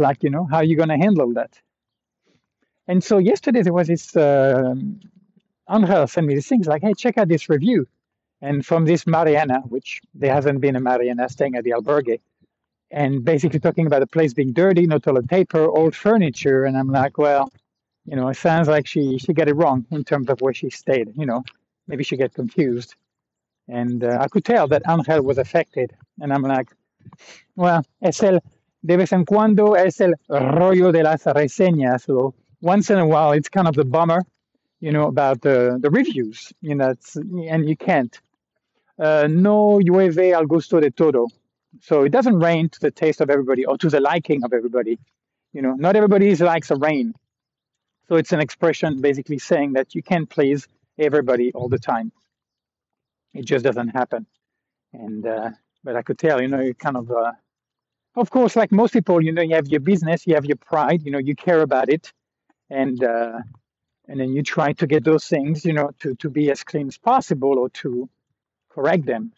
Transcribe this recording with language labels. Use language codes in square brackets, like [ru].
[en] It's like, how are you going to handle that? And so yesterday there was this Angel sent me these things like, hey, check out this review, and from this Mariana, which there hasn't been a Mariana staying at the albergue. And basically talking about the place being dirty, no toilet paper, old furniture, and I'm like, well, it sounds like she got it wrong in terms of where she stayed. Maybe she got confused, and I could tell that Angel was affected. And I'm like, well, [es] es el de vez en cuando es el rollo de las reseñas. [en] So once in a while, it's kind of the bummer, about the reviews. It's, and you can't. [es] No llueve al gusto de todo. [en] So it doesn't rain to the taste of everybody or to the liking of everybody. Not everybody likes the rain. So it's an expression basically saying that you can't please everybody all the time. It just doesn't happen. And but I could tell, you kind of course, like most people, you have your business, you have your pride, you care about it, and then you try to get those things, to be as clean as possible or to correct them.